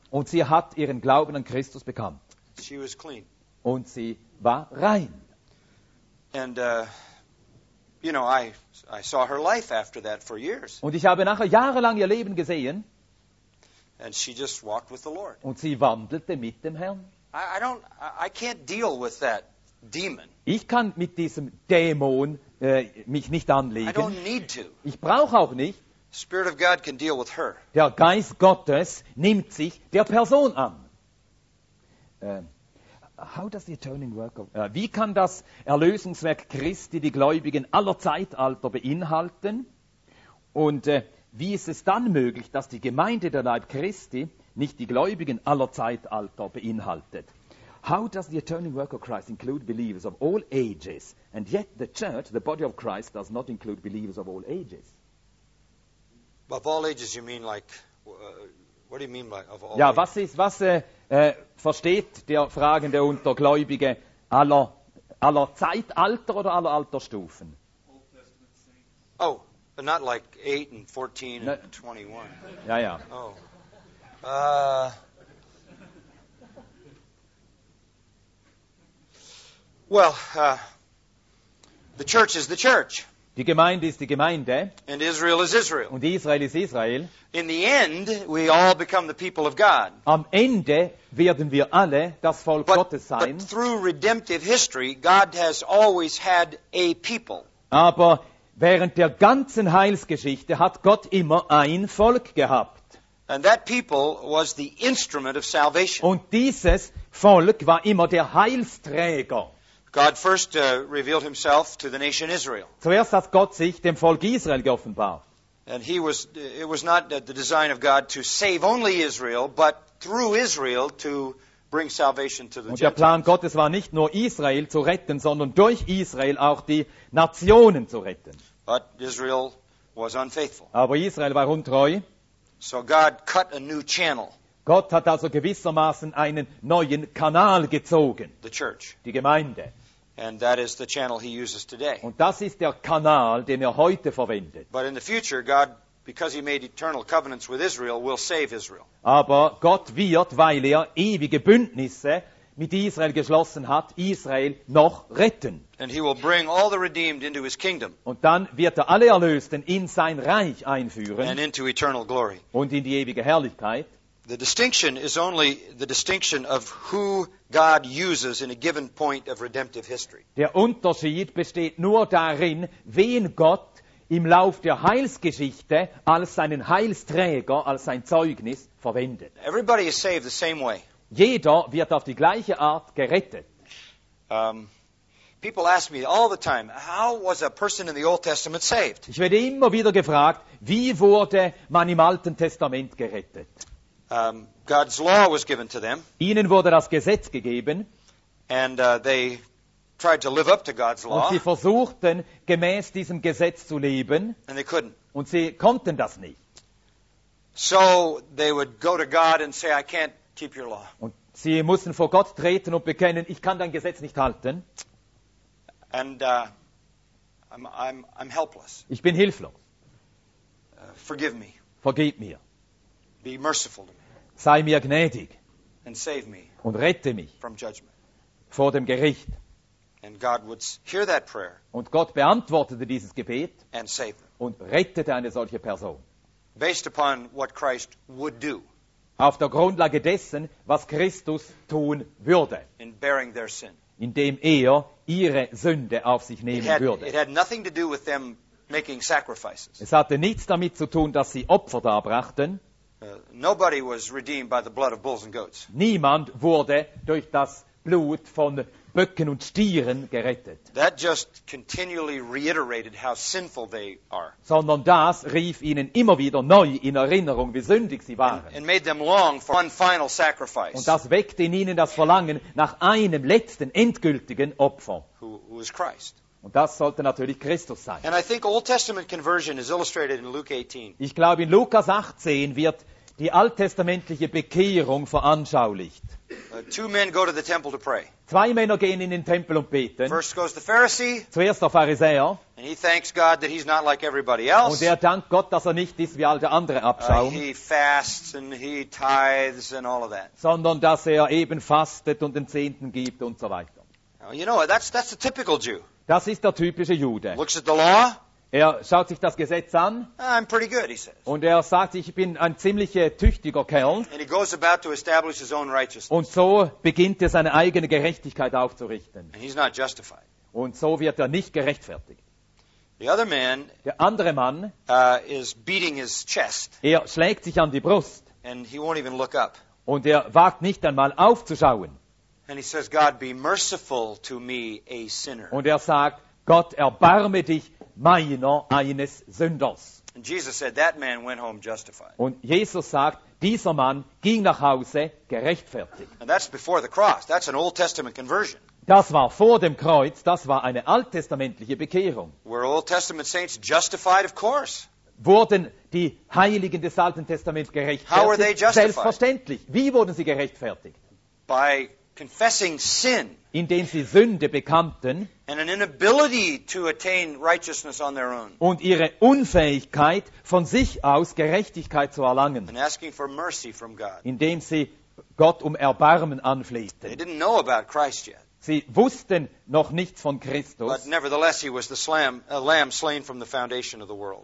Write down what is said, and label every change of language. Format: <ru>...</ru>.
<de>Und sie hat ihren Glauben an Christus bekannt.</de> <en>She was clean.</en> <de>Und sie war rein.</de> <en>And I saw her life after that for years.</en> <de>Und ich habe nachher jahrelang ihr Leben gesehen.</de> <en>And she just walked with the Lord.</en> <de>Und sie wandelte mit dem Herrn.</de> <en>I can't deal with that demon.</en> <de>Ich kann mit diesem Dämon mich nicht anlegen.</de> <en>I don't need to.</en> <de>Ich brauche auch nicht.</de> <en>Spirit of God can deal with her.</en> <de>Der Geist Gottes nimmt sich der Person an.</de> <en>How does the atoning work of,</en> <de>wie kann das Erlösungswerk Christi die Gläubigen aller Zeitalter beinhalten? Und wie ist es dann möglich, dass die Gemeinde der Leib Christi nicht die Gläubigen aller Zeitalter beinhaltet?</de> <en>How does the atoning work of Christ include believers of all ages? And yet the church, the body of Christ, does not include believers of all ages. By all ages you mean like What do you mean by of all?</en> <de>Ja, was ist, was versteht der Fragende unter Gläubige aller, aller Zeitalter oder aller Altersstufen?</de> <en>Oh, but not like 8 and 14 and 21.</en> <de>Ja, ja. Oh.</de> <en>Well, the church is the church.</en> <de>Die Gemeinde ist die Gemeinde.</de> <en>And Israel is Israel.</en> <de>Und Israel ist Israel.</de> <en>In the end, we all become the people of God.</en> <de>Am Ende werden wir alle das Volk Gottes sein.</de> <en>But through redemptive history, God has always had a people.</en> <de>Aber während der ganzen Heilsgeschichte hat Gott immer ein Volk gehabt.</de> <en>And that people was the instrument of salvation.</en> <de>Und dieses Volk war immer der Heilsträger.</de> <en>God first revealed himself to the nation Israel.</en> <de>Zuerst hat Gott sich dem Volk Israel geoffenbart.</de> <en>And he was, it was not the design of God to save only Israel, but through Israel to bring salvation to the Gentiles.</en> <de>Und der Plan Gottes war nicht nur Israel zu retten, sondern durch Israel auch die Nationen zu retten.</de> <en>But Israel was unfaithful.</en> <de>Aber Israel war untreu.</de> <en>So God cut a new channel.</en> <de>Gott hat also gewissermaßen einen neuen Kanal gezogen.</de> <en>The church.</en> <de>Die Gemeinde.</de> <en>And that is the channel he uses today.</en> <de>Und das ist der Kanal, den er heute verwendet.</de> <en>But in the future, God, because he made eternal covenants with Israel, will save Israel.</en> <de>Aber Gott wird, weil er ewige Bündnisse mit Israel geschlossen hat, Israel noch retten.</de> <en>And he will bring all the redeemed into his kingdom.</en> <de>Und dann wird er alle Erlösten in sein Reich einführen.</de> <en>And into eternal glory.</en> <de>Und in die ewige Herrlichkeit.</de> <en>The distinction is only the distinction of who God uses in a given point of redemptive history.</en> <de>Der Unterschied besteht nur darin, wen Gott im Lauf der Heilsgeschichte als seinen Heilsträger, als sein Zeugnis verwendet.</de> <en>Everybody is saved the same way.</en> <de>Jeder wird auf die gleiche Art gerettet.</de> <en>People ask me all the time, how was a person in the Old Testament saved?</en> <de>Ich werde immer wieder gefragt, wie wurde man im Alten Testament gerettet?</de> <en>God's law was given to them.</en> <de>Ihnen wurde das Gesetz gegeben.</de> <en>And they tried to live up to God's law.</en> <de>Und sie versuchten, gemäß diesem Gesetz zu leben.</de> <en>And they couldn't.</en> <de>Und sie konnten das nicht.</de> <en>So they would go to God and say, I can't keep your law.</en> <de>Und sie mussten vor Gott treten und bekennen, ich kann dein Gesetz nicht halten.</de> <en>And I'm helpless.</en> <de>Ich bin hilflos.</de> <en>Forgive me.</en> <de>Vergib mir.</de> <en>Be merciful to me.</en> <de>Sei mir gnädig.</de> <en>And save me.</en> <de>Und rette mich.</de> <en>From judgment.</en> <de>Vor dem Gericht.</de> <en>And God would hear that prayer.</en> <de>Und Gott beantwortete dieses Gebet.</de> <en>And save them.</en> <de>Und rettete eine solche Person.</de> <en>Based upon what Christ would do.</en> <de>Auf der Grundlage dessen, was Christus tun würde.</de> <en>In bearing their sin.</en> <de>Indem er ihre Sünde auf sich nehmen würde.</de> <en>It had nothing to do with them making sacrifices.</en> <de>Es hatte nichts damit zu tun, dass sie Opfer darbrachten.</de> <en>Nobody was redeemed by the blood of bulls and goats.</en> <de>Niemand wurde durch das Blut von Böcken und Stieren gerettet.</de> <en>That just continually reiterated how sinful they are.</en> <de>Sondern das rief ihnen immer wieder neu in Erinnerung, wie sündig sie waren.</de> <en>And made them long for one final sacrifice.</en> <de>Und das weckte in ihnen das Verlangen nach einem letzten, endgültigen Opfer.</de> <en>Who was Christ?</en> <de>Und das sollte natürlich Christus sein.</de> <en>And I think Old Testament conversion is illustrated in Luke 18.</en> <de>Ich glaube, in Lukas 18 wird die alttestamentliche Bekehrung veranschaulicht.</de> <en>Two men go to the temple to pray.</en> <de>Zwei Männer gehen in den Tempel und beten.</de> <en>First goes the Pharisee.</en> <de>Zuerst der Pharisäer.</de> <en>And he thanks God that he's not like everybody else.</en> <de>Und er dankt Gott, dass er nicht ist wie all der andere Abschaum.</de> <en>He fasts and he tithes and all of that.</en> <de>Sondern dass er eben fastet und den Zehnten gibt und so weiter.</de> <en>Now, you know, that's a typical Jew.</en> <de>Das ist der typische Jude.</de> <en>Looks at the law.</en> <de>Er schaut sich das Gesetz an.</de> <en>I'm pretty good, he says.</en> <de>Und er sagt, ich bin ein ziemlich tüchtiger Kerl.</de> <en>And he goes about to establish his own righteousness.</en> <de>Und so beginnt er seine eigene Gerechtigkeit aufzurichten.</de> <en>And he's not justified.</en> <de>Und so wird er nicht gerechtfertigt.</de> <en>The other man,</en> <de>der andere Mann,</de> <en>is beating his chest.</en> <de>Er schlägt sich an die Brust.</de> <en>And he won't even look up.</en> <de>Und er wagt nicht einmal aufzuschauen.</de> <en>And he says, God, be merciful to me, a sinner.</en> <de>Und er sagt, Gott, erbarme dich meiner eines Sünders.</de> <en>And Jesus said, that man went home justified.</en> <de>Und Jesus sagt, dieser Mann ging nach Hause gerechtfertigt.</de> <en>And that's before the cross. That's an Old Testament conversion.</en> <de>Das war vor dem Kreuz. Das war eine alttestamentliche Bekehrung.</de> <en>Were Old Testament saints justified? Of course.</en> <de>wurden die Heiligen des Alten Testaments gerechtfertigt? Selbstverständlich. Wie wurden sie gerechtfertigt?</de> <en>By confessing sin.</en> <de>Indem sie Sünde bekannten.</de> <en>And an inability to attain righteousness on their own.</en> <de>Und ihre Unfähigkeit, von sich aus Gerechtigkeit zu erlangen.</de> <en>And asking for mercy from God.</en> <de>Indem sie Gott um Erbarmen anflehten.</de> <en>They didn't know about Christ yet.</en> <de>Sie wussten noch nichts von Christus.</de> <en>But nevertheless, he was the lamb slain from the foundation of the world.</en>